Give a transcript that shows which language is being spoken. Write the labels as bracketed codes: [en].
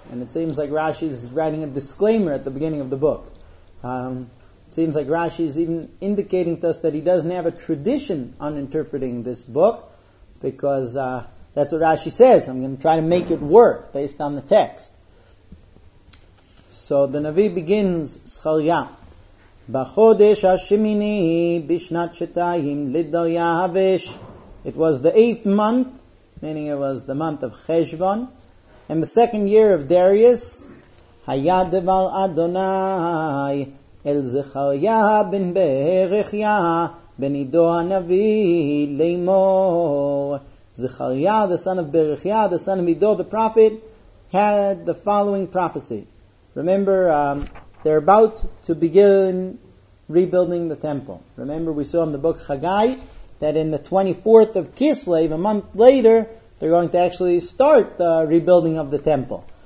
[en] And it seems like Rashi is writing a disclaimer at the beginning of the book. It seems like Rashi is even indicating to us that he doesn't have a tradition on interpreting this book, because that's what Rashi says. I'm going to try to make it work based on the text. So the Navi begins, Zechariah. [he] בחודש השמיני בשנת שתיים לדריה וש. [en] It was the eighth month, meaning it was the month of Cheshvan, and the second year of Darius. [he] היה דבר אדוני אל זכריה בן ברכיה בן עידו הנביא לאמור. [en] זכריה, the son of Berechiah, the son of Ido, the prophet, had the following prophecy. Remember, they're about to begin rebuilding the temple. Remember, we saw in the book Haggai that in the 24th of Kislev, a month later, they're going to actually start the rebuilding of the temple.